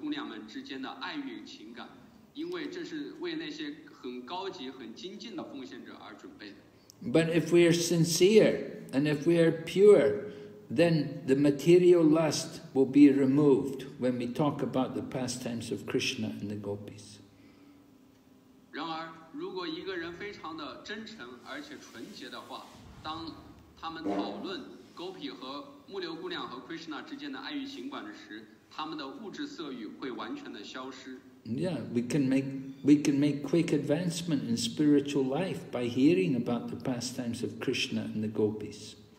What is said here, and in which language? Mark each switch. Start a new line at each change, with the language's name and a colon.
Chinese: 因此我们被禁止讨论Krishna和牧牛姑娘们之间的爱欲情感, 因为这是为那些很高级、很精进的奉献者而准备的。
English: But if we are sincere and if we are pure, then the material lust will be removed when we talk about the pastimes of Krishna and the gopis.
Chinese: 然而，如果一个人非常的真诚而且纯洁的话， 当他们讨论gopi和牧牛姑娘和Krishna之间的爱欲情感时， 他们的物质色欲会完全的消失。
English: Yeah, we can make quick advancement in spiritual life by hearing about the pastimes of Krishna and the gopis.